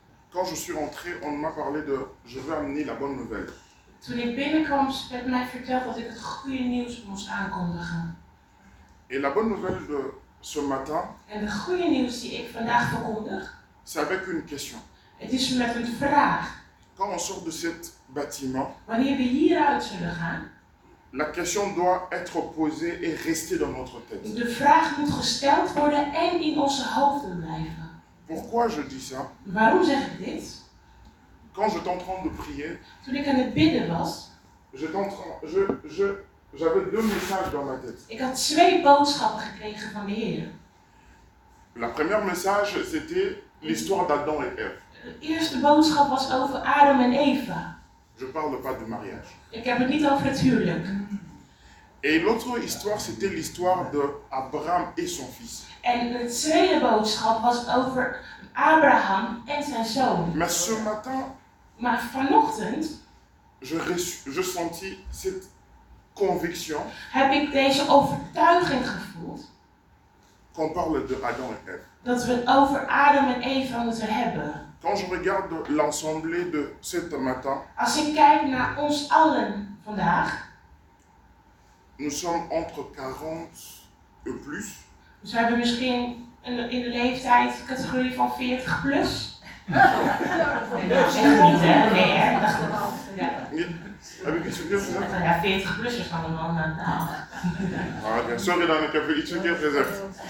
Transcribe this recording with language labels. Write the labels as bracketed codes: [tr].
[fr] Quand je suis rentré, on m'a parlé de je veux amener la bonne nouvelle. [nl] Toen ik binnenkwam, werd mij verteld dat ik het goede nieuws moest aankondigen. [fr] Et la bonne nouvelle de ce matin. [nl] En de goede nieuws die ik vandaag verkondig. [fr] C'est avec une question. [nl] Het is met een vraag. [fr] Quand on sort de cet bâtiment, [nl] wanneer we hieruit zullen gaan, [fr] la question doit être posée et rester dans notre tête. [nl] De vraag moet gesteld worden en in onze hoofden blijven. [fr] Pourquoi je dis ça? [nl] Waarom zeg ik dit? [fr] Quand j'étais en train de prier, [nl] toen ik aan het bidden was, [fr] j'avais deux messages dans ma tête. [nl] Ik had 2 boodschappen gekregen van de Heer. [fr] La première message, c'était l'histoire d'Adam et Eve. [nl] De eerste boodschap was over Adam en Eva. [fr] Je parle pas du mariage. [nl] Ik heb het niet over het huwelijk. [fr] Et l'autre histoire, c'était l'histoire de Abraham et son fils. [nl] En de tweede boodschap was over Abraham en zijn zoon. [fr] Mais ce matin, [nl] maar vanochtend, [fr] je sentis cette conviction. [nl] Heb ik deze overtuiging gevoeld. [fr] Qu'on parle de Adam et Eve. [nl] Dat we het over Adam en Eva moeten hebben. [fr] Quand je regarde l'ensemble de cet matin, [nl] als ik kijk naar ons allen vandaag, [fr] nous sommes entre 40 et plus. [nl] Dus we hebben misschien in de leeftijd categorie van 40 plus. Ja, dat is niet, hè? Nee, hè? Heb ik iets verkeerd gezegd? Ja, 40 plus is van een man. Sorry dan, ik heb iets verkeerd gezegd.